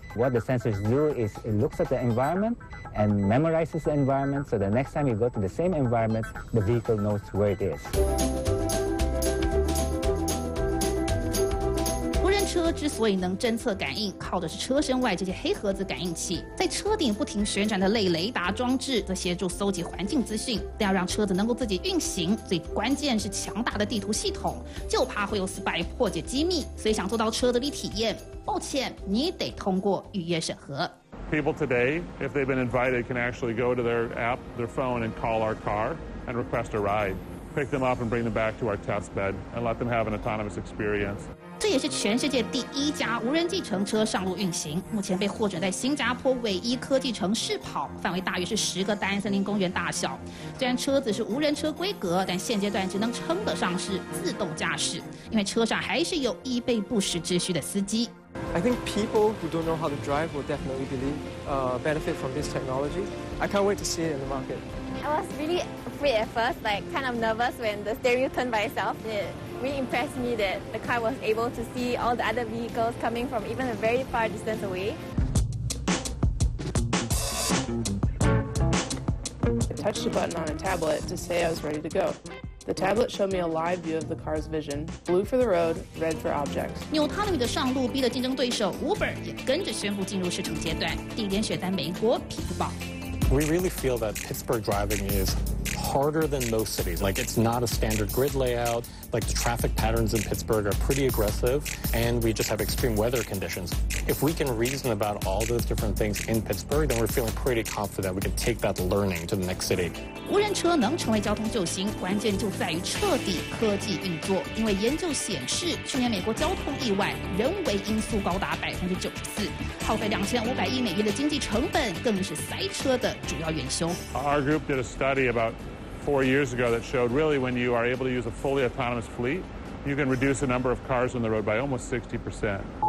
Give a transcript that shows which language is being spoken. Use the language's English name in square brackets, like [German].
[English] What the sensors do is it looks at the environment and memorizes the environment, so the next time you go to the same environment, the vehicle knows where it is. [Chinese] 车之所以能侦测感应，靠的是车身外这些黑盒子感应器，在车顶不停旋转的类雷达装置则协助搜集环境资讯。但要让车子能够自己运行，最关键是强大的地图系统，就怕会有 spy 破解机密，所以想做到车子里体验，抱歉，你得通过预约审核。 [English] People today, if they've been invited, can actually go to their app, their phone, and call our car and request a ride, pick them up and bring them back to our test bed, and let them have an autonomous experience. [Chinese] 这也是全世界第一家无人计程车上路运行，目前被获准在新加坡唯一科技城试跑，范围大约是10个大安森林公园大小。虽然车子是无人车规格，但现阶段只能称得上是自动驾驶，因为车上还是有依备不时之需的司机。 [English] I think people who don't know how to drive will definitely believe, benefit from this technology. I can't wait to see it in the market. I was really afraid at first, like kind of nervous when the steering wheel turned by itself. It really impressed me that the car was able to see all the other vehicles coming from even a very far distance away. I touched a button on a tablet to say I was ready to go. The tablet showed me a live view of the car's vision, blue for the road, red for objects. [Chinese] Newtonomy 的上路逼得竞争对手 Uber 也跟着宣布进入试乘阶段，地点选在美国匹兹堡。 [English] We really feel that Pittsburgh driving is harder than most cities. Like it's not a standard grid layout. Like the traffic patterns in Pittsburgh are pretty aggressive, and we just have extreme weather conditions. If we can reason about all those different things in Pittsburgh, then we're feeling pretty confident we can take that learning to the next city. [Chinese] 无人车能成为交通救星，关键就在于彻底科技运作。因为研究显示，去年美国交通意外人为因素高达94%，耗费2500亿美元的经济成本更是塞车的主要元凶。 [English] Our group did a study about4 years ago that showed really when you are able to use a fully autonomous fleet, you can reduce the number of cars on the road by almost 60%.